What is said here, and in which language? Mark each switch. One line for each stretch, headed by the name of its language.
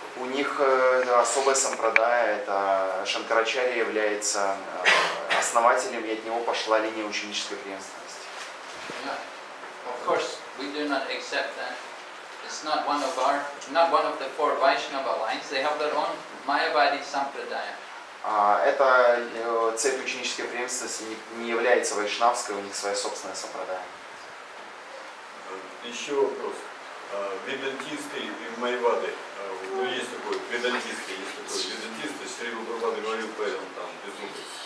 Russian: У них особая сампрадая, это Шанкарачарья является основателем, и от него пошла линия ученической преемственности.
English: Of course, we do not accept that. It's not one of our, not one of the four Vaishnava lines. They have their own Mayavadi Sampradaya.
Russian: Это цепь ученической преемственности не является вайшнавской, у них своя собственная сампрадая. Еще вопрос. Ведантисты и майвады. Ну, есть такой ведантисты, Шри Прабхупада говорил, поэтому там без зубы.